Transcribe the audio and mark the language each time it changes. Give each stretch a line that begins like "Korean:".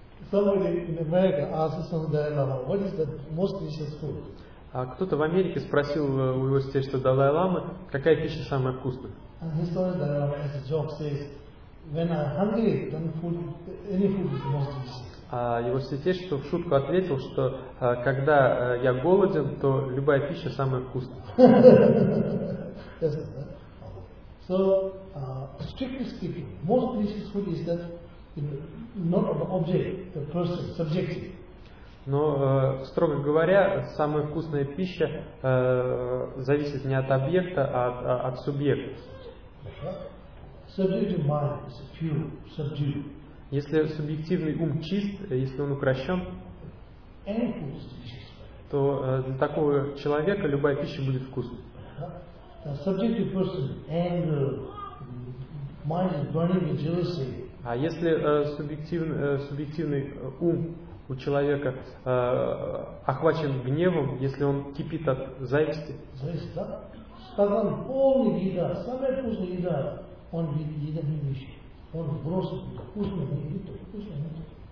English: Somebody in America asked some Dalai Lama, what is the most delicious food?
Russian: Кто-то в Америке спросил у его святейшего Далай Ламы, какая пища самая вкусная.
English: And his story, Dalai Lama, as a joke, says, when I'm hungry, then food, any food is most delicious.
Russian: А его святейшество в шутку ответил, что когда я голоден, то любая пища самая вкусная.
English: So, strictly speaking, most delicious food is that not the object, the person, subjective.
Russian: Но, строго говоря, самая вкусная пища зависит не от объекта, а от субъекта.
English: Subjective mind is pure, subdued.
Russian: Если субъективный ум чист, если он укращен,
English: any food is delicious.
Russian: То для такого человека любая пища будет вкусной.
English: The subjective person, anger, mind is burning with jealousy.
Russian: А если субъективный ум у человека охвачен гневом, если он кипит от зависти? Зависть, да? Стакан полный еда, самая вкусная еда, он видит едобные вещи. Он бросит их, вкусно, не видит, то вкусно, не видит.